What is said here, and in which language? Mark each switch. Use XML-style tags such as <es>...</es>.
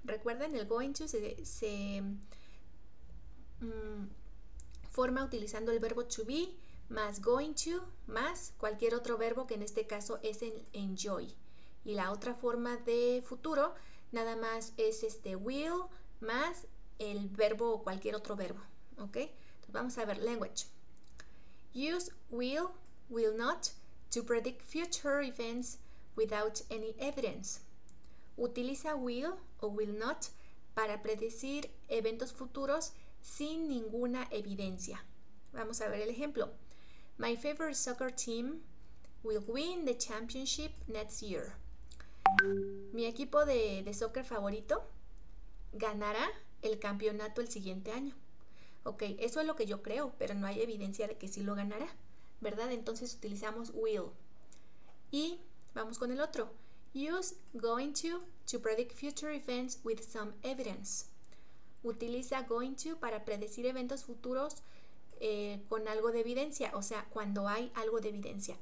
<es>Recuerden, el going to se forma utilizando el verbo to be más going to más cualquier otro verbo que en este caso es el enjoy. Y la otra forma de futuro nada más es este will más el verbo o cualquier otro verbo. ¿Ok? Entonces vamos a ver language.</es> <en>Use will not to predict future events without any evidence.</en> <es>Utiliza will o will not para predecir eventos futuros sin ninguna evidencia. Vamos a ver el ejemplo.</es> <en>My favorite soccer team will win the championship next year.</en> <es>Mi equipo de soccer favorito ganará el campeonato el siguiente año. Ok, eso es lo que yo creo, pero no hay evidencia de que sí lo ganará, ¿verdad? Entonces utilizamos will. Y vamos con el otro.</es> <en>Use going to predict future events with some evidence.</en> <es>Utiliza going to para predecir eventos futuros con algo de evidencia, o sea, cuando hay algo de evidencia.</es>